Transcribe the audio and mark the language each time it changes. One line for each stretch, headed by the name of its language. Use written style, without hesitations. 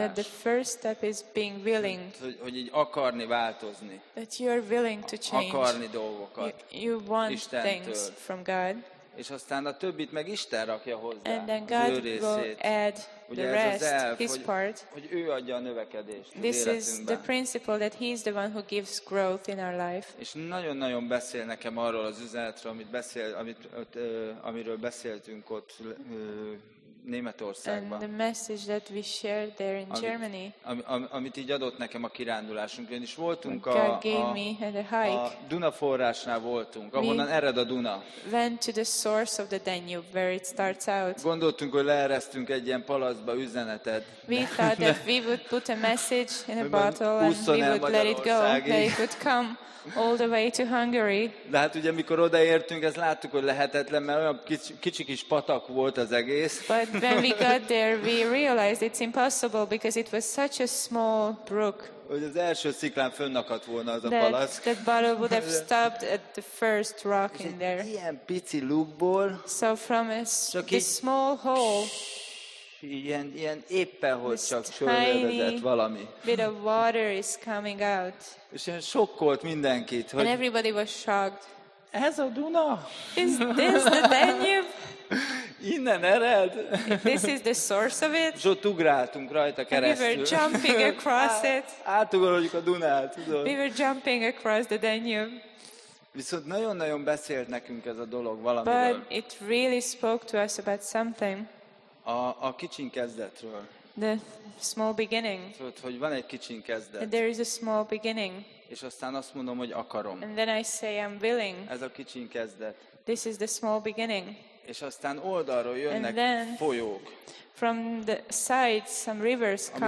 English: That the first step is being willing.
Hungarian: Hogy így akarni változni.
English: That you are willing to change.
Hungarian: Akarni dolgokat.
English: You want
Hungarian: Istentől.
English: Things from God.
Hungarian: És aztán a többit meg Isten rakja hozzá.
English: And then God will add
Hungarian: ugye
English: the rest,
Hungarian: ez az elv,
English: his part.
Hungarian: Hogy ő adja a növekedést
English: this
Hungarian: az
English: is the principle that he is the one who gives growth in our life.
Hungarian: És nagyon-nagyon beszél nekem arról az üzenetről, amit beszél, amiről beszéltünk ott Németországban.
English: And the message that we shared there in Germany.
Hungarian: Amit így adott nekem a kirándulásunk, ugyanis voltunk a Duna forrásnál voltunk, ahonnan ered a Duna.
English: Went to the source of the Danube, where it starts out.
Hungarian: Gondoltunk, hogy leeresztünk egy ilyen palacba üzenetet.
English: We thought that we would put a message in a bottle and we would let it go, that it would come all the way to Hungary.
Hungarian: De hát ugye, mikor odaértünk, ezt láttuk, hogy lehetetlen, mert olyan kicsi kis patak volt az egész.
English: But when we got there, we realized it's impossible because it was such a small brook.
Hungarian: Hogy az első sziklán fönnakadt volna az a palack.
English: That bottle would have stopped at the first rock in there.
Hungarian: Ilyen pici lukból.
English: So from a small hole.
Hungarian: Ilyen éppen hogy csak csörögött valami.
English: Bit of water is coming out.
Hungarian: És ilyen sokkolt mindenkit.
English: And everybody was shocked.
Hungarian: Ez a Duna?
English: Is this the Danube?
Hungarian: Innen ered?
English: This is the source of it.
Hungarian: És ott ugráltunk rajta keresztül.
English: We were jumping across it.
Hungarian: Átugorodjuk a Dunát, tudod?
English: We were jumping across the Danube.
Hungarian: Viszont nagyon-nagyon beszélt nekünk ez a dolog valamiről.
English: But it really spoke to us about something.
Hungarian: A kicsin kezdetről.
English: The small beginning.
Hungarian: Tudod, hogy van egy kicsin kezdet.
English: And there is a small beginning.
Hungarian: És aztán azt mondom, hogy akarom.
English: And then I say I'm willing.
Hungarian: Ez a kicsin kezdet.
English: This is the small beginning.
Hungarian: És aztán oldalról jönnek folyók.
English: From the sides some rivers come.